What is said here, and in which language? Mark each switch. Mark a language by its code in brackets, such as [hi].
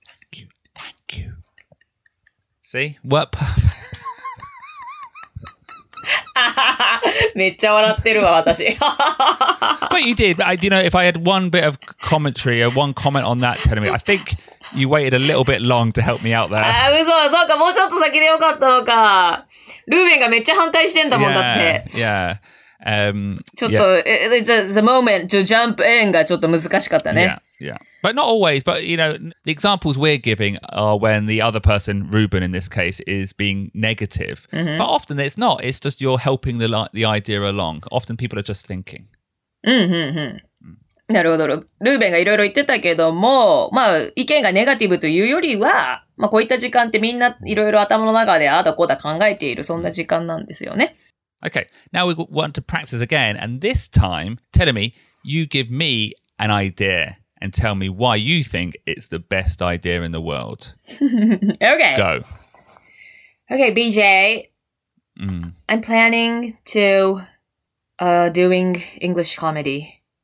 [en] Thank you. See? Work perfect. [ja] めっちゃ笑ってるわ、私。 [en] But you did. I, you know, if I had one bit of commentary or one comment on that, Terumi, I think You waited a little bit long to help me out there. [ja] あ、そう、そうか、もうちょっと先でよかったのか。ルーベンがめっちゃ反対してんだもんだって。 [en] Yeah. [ja] ちょっと、yeah. [en] the moment to jump in [ja] がちょっと難しかったね。 [en] Yeah. But not always, but you know, the examples we're giving are when the other person, Ruben in this case, is being negative. Mm-hmm. But often it's not. It's just you're helping the idea along. Often people are just thinking. [ja] なるほど。ルーベンがいろいろ言ってたけども、まあ、意見がネガティブというよりは、まあ、こういった時間ってみんないろいろ頭の中でああだこうだ考えている、そんな時間なんですよね。 [en] Okay, now we want to practice again, and this time, tell me, you give me an idea, and tell me why you think it's the best idea in the world. Okay. Go. Okay, BJ,、mm. I'm planning to、doing English comedy.